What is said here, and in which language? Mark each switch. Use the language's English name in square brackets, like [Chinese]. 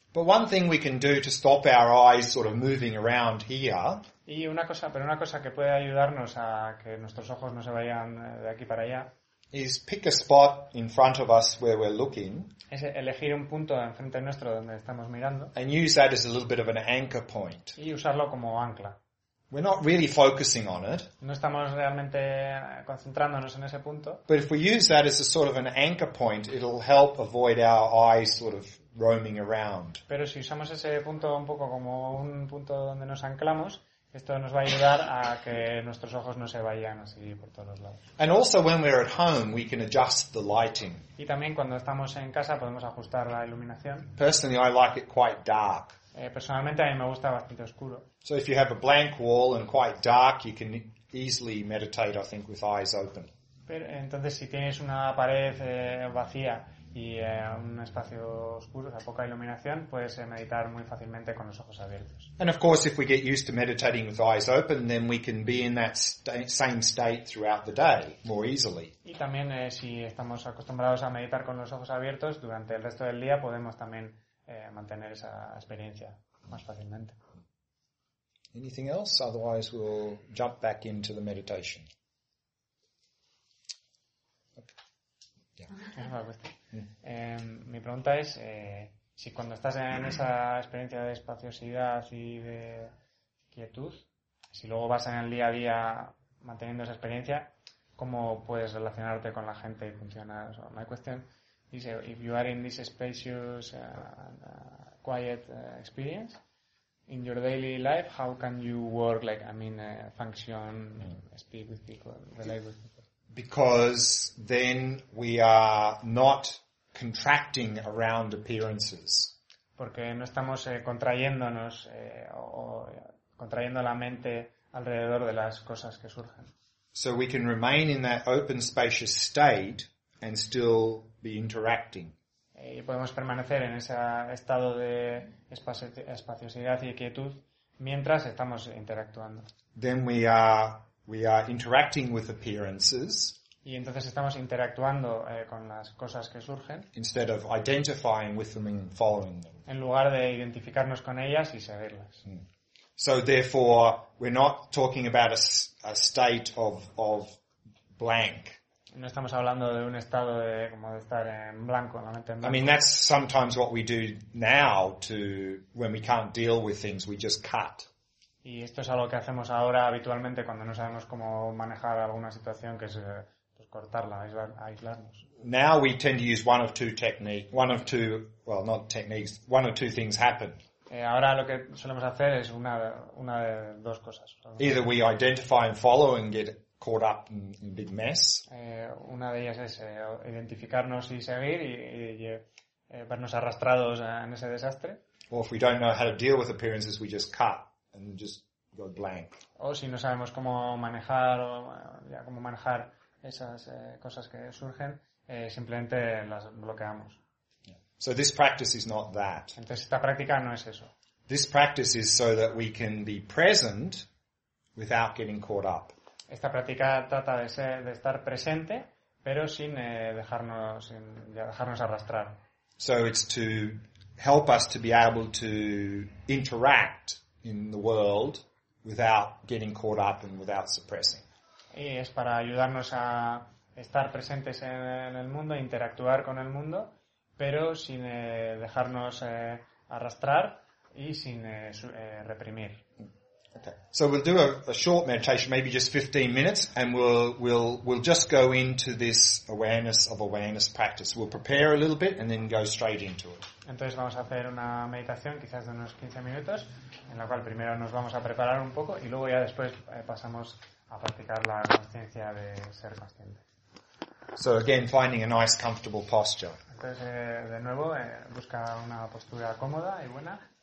[English] But one thing we can do to stop our eyes sort of moving around here. [Spanish] Y una cosa que puede ayudarnos a que nuestros ojos no se vayan de aquí para allá. [English] Is pick a spot in front of us where we're looking. [Spanish] Es elegir un punto enfrente nuestro donde estamos mirando. [English] And use that as a little bit of an anchor point. [Spanish] Y usarlo como ancla. [English] We're not really focusing on it. [Spanish] No estamos realmente concentrándonos en ese punto. [English] But if we use that as a sort of an anchor point, it'll help avoid our eyes sort of roaming around. [Spanish] Pero si usamos ese punto un poco como un punto donde nos anclamos, esto nos va a ayudar a que nuestros ojos no se vayan así por todos lados. [English] And also when we're at home, we can adjust the lighting. [Spanish] Y también cuando estamos en casa podemos ajustar la iluminación. [English] Personally, I like it quite dark. [Spanish] Personalmente a mí me gusta bastante oscuro. [English] So if you have a blank wall and quite dark, you can easily meditate, I think, with eyes open. [Spanish] Pero entonces si tienes una pared vacía y un espacio oscuro, o sea, poca iluminación, puedes meditar muy fácilmente con los ojos abiertos. [English] And of course, if we get used to meditating with eyes open, then we can be in that same state throughout the day more easily. [Spanish] Y también si estamos acostumbrados a meditar con los ojos abiertos durante el resto del día, podemos también mantener esa experiencia más fácilmente. [English] Anything else? Otherwise, we'll jump back into the meditation. [Spanish] Esa es la cuestión. Mi pregunta es si cuando estás en esa experiencia de espaciosidad y de quietud, si luego vas en el día a día manteniendo esa experiencia, ¿cómo puedes relacionarte con la gente y funcionar? [English] So, my question is, if you are in this spacious and quiet experience in your daily life, how can you work, like, I mean, function, speak with people, relate with people? Because then we are not contracting around appearances. [Spanish] Porque no estamos contrayéndonos o contrayendo la mente alrededor de las cosas que surgen. [English] So we can remain in that open, spacious state and still be interacting. [Spanish] Y podemos permanecer en ese estado de espaciosidad y quietud mientras estamos interactuando. [English] Then we are interacting with appearances. [Spanish] Y entonces estamos interactuando con las cosas que surgen. [English] Instead of identifying with them and following them. [Spanish] En lugar de identificarnos con ellas y seguirlas. [English] So therefore, we're not talking about a state of blank. [Spanish] No estamos hablando de un estado de como de estar en blanco, en la mente en blanco. [English] I mean, that's sometimes what we do now to when we can't deal with things, we just cut. [Spanish] Y esto es algo que hacemos ahora habitualmente cuando no sabemos cómo manejar alguna situación, que es pues cortarla, aislarnos. [English] Now we tend to use one of two techniques, one of two things happen. [Spanish] Ahora lo que solemos hacer es una de dos cosas. [English] Either we identify and follow and get caught up in a big mess. [Spanish] Una de ellas es identificarnos y seguir y vernos arrastrados en ese desastre. [English] Or if we don't know how to deal with appearances, we just cut and just go blank. [Spanish] O si no sabemos cómo manejar esas cosas que surgen, simplemente las bloqueamos. [English] So this practice is not that. [Spanish] Entonces esta práctica no es eso. [English] This practice is so that we can be present without getting caught up. [Spanish] Esta práctica trata de ser, de estar presente, pero sin dejarnos arrastrar. [English] So it's to help us to be able to interact in the world without getting caught up and without suppressing. [Spanish] Y es para ayudarnos a estar presentes en el mundo, interactuar con el mundo, pero sin dejarnos arrastrar y sin reprimir. [English] Okay. So we'll do a short meditation, maybe just 15 minutes, and we'll just go into this awareness of awareness practice. We'll prepare a little bit and then go straight into it. [Spanish] Entonces vamos a hacer una meditación quizás de unos 15 minutos, en la cual primero nos vamos a preparar un poco y luego ya después pasamos a practicar la consciencia de ser consciente. [English] So again, finding a nice, comfortable posture. [Spanish] Entonces, de nuevo, busca una postura cómoda y buena.